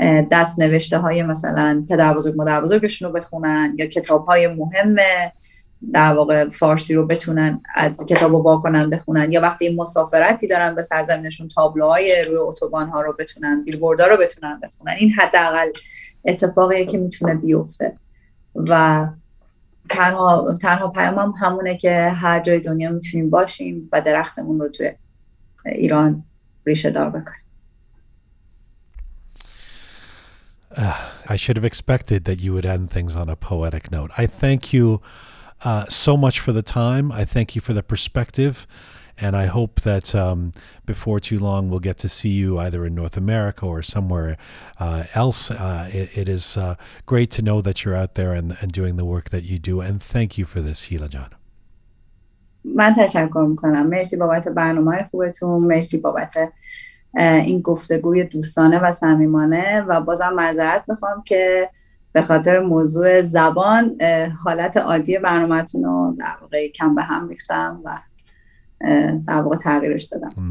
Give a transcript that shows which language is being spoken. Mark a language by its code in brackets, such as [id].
[fa] دست نوشته های مثلا پدر بزرگ مادر بزرگشون رو بخونن یا کتاب های مهمه در واقع فارسی رو بتونن از کتاب رو با کنن بخونن، یا وقتی مسافرتی دارن به سرزمینشون تابلوهای روی اتوبان ها رو بتونن، بیلبورد ها رو بتونن بخونن. این حداقل اتفاقیه که میتونه بیفته و تنها پیامم همونه که هر جای دنیا میتونیم باشیم و درختمون رو توی ایران ریشه دار بکنیم. [en] I should have expected that you would end things on a poetic note. I thank you so much for the time. I thank you for the perspective. And I hope that before too long, we'll get to see you either in North America or somewhere else. It is great to know that you're out there and doing the work that you do. And thank you for this, Hila Jan. [fa] من تشکر میکنم. مرسی بابت برنامه خوبتون. مرسی بابت این گفتگوی دوستانه و صمیمانه. و بازم معذرت میخوام که به خاطر موضوع زبان حالت عادی برنامه تون رو در واقع کم به هم ریختم و در واقع تغییرش دادم.